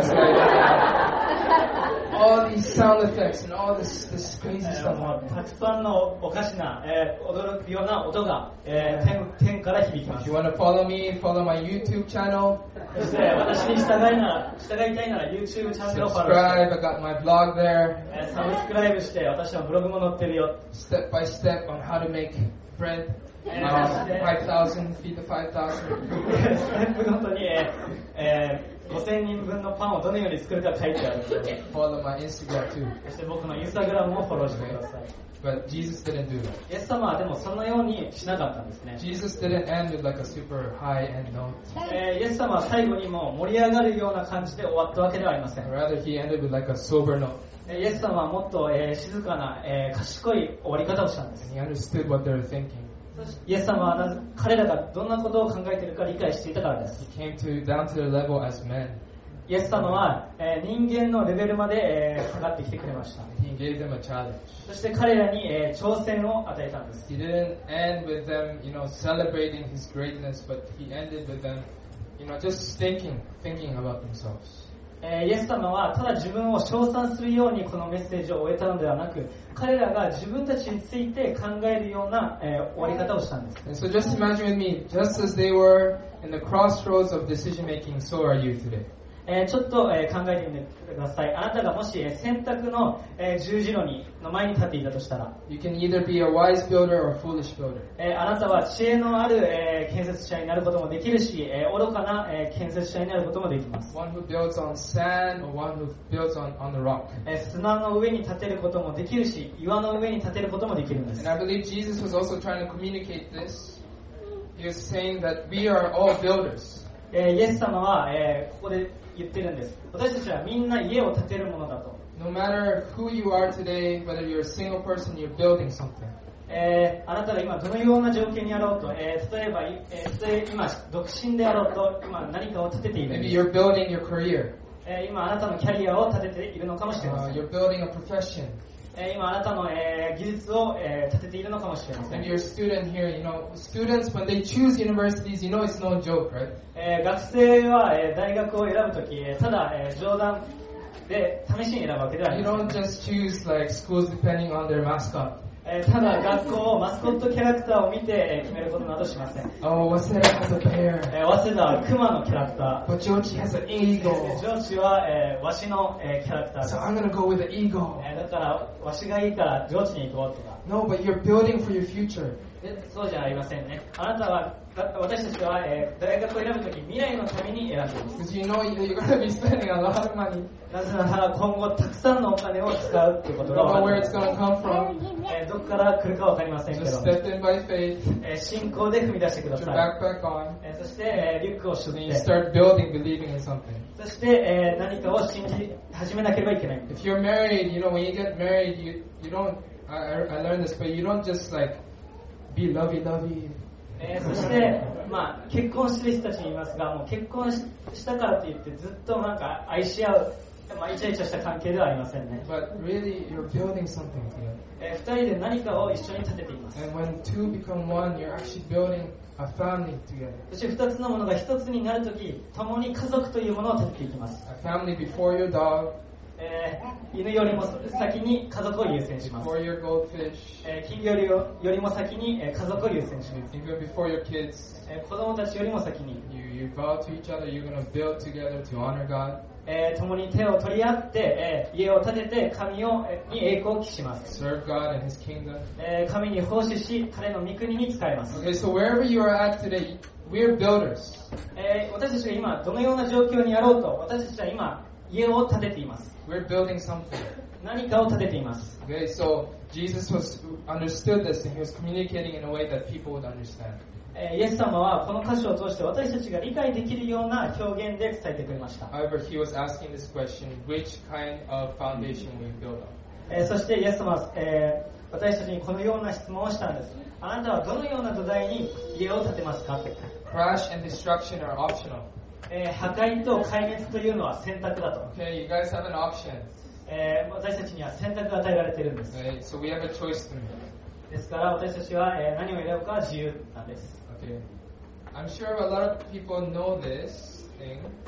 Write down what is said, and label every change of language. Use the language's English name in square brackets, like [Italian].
[English] So it's like all these sound effects and all this crazy stuff. [Japanese] たくさんのおかしな、驚くような音が、天から響きます。 [English] If you want to follow me, follow my YouTube channel. [Japanese] そして私に従いたいなら YouTube チャンネルをフォローして。 [English] Subscribe, I got my blog there. [Japanese] サブスクライブして私のブログも載ってるよ。 [English] Step by step on how to make bread. 5,000 feed the 5,000. [Japanese] ステップごとに。 5000人分のパンをどのように作るか書いてある [English] フォローマイ Instagram too [Japanese] そして僕のインスタグラムもフォローしてください [English] But Jesus didn't do that [Japanese] イエス様はでもそのようにしなかったんですね [English] Jesus didn't end with like a super high end note [Japanese] イエス様は最後にも盛り上がるような感じで終わったわけではありません [English] Rather he ended with like a sober note [Japanese] イエス様はもっと静かな賢い終わり方をしたんです [English] He understood what they were thinking [Japanese] イエス様は彼らがどんなことを考えているか理解していたからです。 [English] He came to down to their level as men. [Japanese] イエス様は人間のレベルまで下がってきてくれました。 [English] He gave them a challenge. [Japanese] そして彼らに挑戦を与えたんです。 [English] He didn't end with them, you know, celebrating his greatness, but he ended with them, you know, just thinking about themselves. [Japanese] イエス様はただ自分を称賛するようにこのメッセージを終えたのではなく彼らが自分たちについて考えるような終わり方をしたんです。 [English] So just imagine with me, just as they were in the crossroads of decision making, so are you today. [Japanese] ちょっと考えてみてください。あなたがもし選択の十字路の前に立っていたとしたら、 [English] You can either be a wise builder or a foolish builder. [Japanese] あなたは知恵のある建設者になることもできるし、愚かな建設者になることもできます。 [English] One who builds on sand or one who builds on the rock. [Japanese] 砂の上に立てることもできるし、岩の上に立てることもできるんです。 [English] And I believe Jesus was also trying to communicate this. He was saying that we are all builders. [Japanese] イエス様はここで言ってるんです。私たちはみんな家を建てるものだと。 [English] No matter who you are today, whether you're a single person, you're building something. [Japanese] あなたが今どのような状況にあろうと、例えば、今独身であろうと、今何かを建てているんです。 [English] Maybe you're building your career. [Japanese] 今あなたのキャリアを建てているのかもしれません。 [English] You're building a profession. [Japanese] 今あなたの技術を建てているのかもしれません。 [English] And you're a student here. You know, students, when they choose universities, you know it's no joke, right? [Japanese] 学生は大学を選ぶとき、ただ冗談で試しに選ぶわけではない。 [English] You don't just choose like schools depending on their mascot. [Japanese] ただ学校をマスコットキャラクターを見て決めることなどしません。 [English] Oh, 早稲田 has a bear. [Japanese] 早稲田はクマのキャラクター。 [English] But George has an eagle. [Japanese] George はワシのキャラクターです。 [English] So I'm gonna go with the eagle. [Japanese] だからワシがいいからジョージに行こうとか。 [English] No, but you're building for your future. [Japanese] そうじゃありませんね。あなたは私たちは大学を選ぶとき未来のために選んでいます。 [English] Because you know you're gonna be spending a lot of money. [Japanese] なぜなら今後たくさんのお金を使うってことが分かります。 [English] You don't know where it's gonna come from. [Japanese] どこから来るか分かりませんけど。 [English] Just step in by faith. [Japanese] 信仰で踏み出してください。 [English] Put your backpack on. [Japanese] そしてリュックを背負って。 [English] You start building, believing in something. [Japanese] そして何かを信じ始めなければいけない。 [English] If you're married, you know when you get married, you don't. I learned this, but you don't just like be lovey-dovey. [Japanese] そして、まあ、結婚する人たちに言いますが、もう結婚したからといってずっとなんか愛し合う、まあ、イチャイチャした関係ではありませんね。 [English] But really, you're building something together. [Japanese] 二人で何かを一緒に建てています。 [English] And when two become one, you're actually building a family together. [Japanese] そして二つのものが一つになるとき、共に家族というものを建てていきます。 [English] A family before your dog. [Japanese] 犬よりも先に家族を優先します。 [English] Before your goldfish. [Japanese] 金魚よりも先に家族を優先します。 [English] Even before your kids. [Japanese] 子供たちよりも先に。 [English] You vow to each other, you're gonna build together to honor God. [Japanese] 共に手を取り合って家を建てて神に栄光を期します。 [English] Serve God and His kingdom. [Japanese] 神に奉仕し彼の御国に仕えます。 [English] Okay, so wherever you are at today, we're builders. [Japanese] 私たちが今どのような状況にあろうと私たちは今家を建てています。 [English] We're building something. [Japanese] 何かを建てています。 [English] Okay, so Jesus understood this and he was communicating in a way that people would understand. [Japanese] イエス様はこの箇所を通して私たちが理解できるような表現で伝えてくれました。 [English] However, he was asking this question, which kind of foundation will you build on? [Japanese] そしてイエス様は私たちにこのような質問をしたんです。あなたはどのような土台に家を建てますか? [English] Crash and destruction are optional. [Japanese] 破壊と壊滅というのは選択だと。 [English] Okay, you guys have an option. [Japanese] 私たちには選択が与えられているんです。 [English] Okay, so we have a choice to make. [Japanese] ですから私たちは何を選ぶかは自由なんです。 [English] Okay. I'm sure a lot of people know this thing.